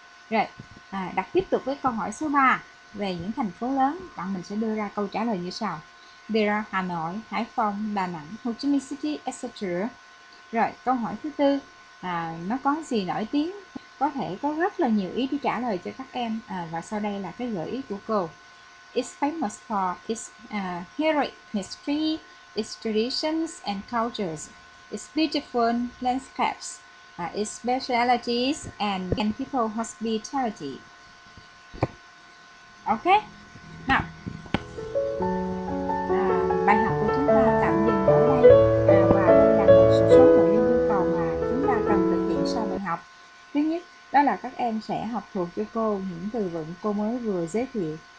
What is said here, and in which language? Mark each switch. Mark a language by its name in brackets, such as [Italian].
[Vietnamese] Rồi, đặt tiếp tục với câu hỏi số 3 về những thành phố lớn, bạn mình sẽ đưa ra câu trả lời như sau. [English] There are Hà Nội, Hải Phòng, Đà Nẵng, Ho Chi Minh City, etc. [Vietnamese] Rồi, câu hỏi thứ 4, nó có gì nổi tiếng? Có thể có rất là nhiều ý để trả lời cho các em. Và sau đây là cái gợi ý của cô. [English] It's famous for its heroic history, its traditions and cultures, its beautiful landscapes, its specialties and people hospitality. [Vietnamese] Ok, nào, bài học của chúng ta tạm dừng ở đây. Và đây là một số nội dung yêu cầu mà chúng ta cần thực hiện sau bài học. Thứ nhất, đó là các em sẽ học thuộc cho cô những từ vựng cô mới vừa giới thiệu.